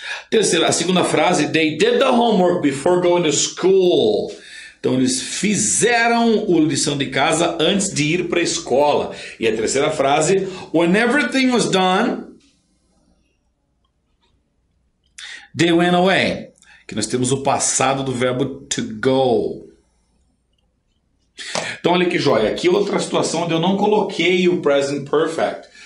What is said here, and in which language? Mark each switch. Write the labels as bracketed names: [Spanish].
[Portuguese] Terceira, a segunda frase, [English] they did the homework before going to school. [Portuguese] Então, eles fizeram a lição de casa antes de ir para a escola. E a terceira frase, [English] when everything was done, they went away. [Portuguese] Que nós temos o passado do verbo to go. Então, olha que joia. Aqui outra situação onde eu não coloquei o present perfect.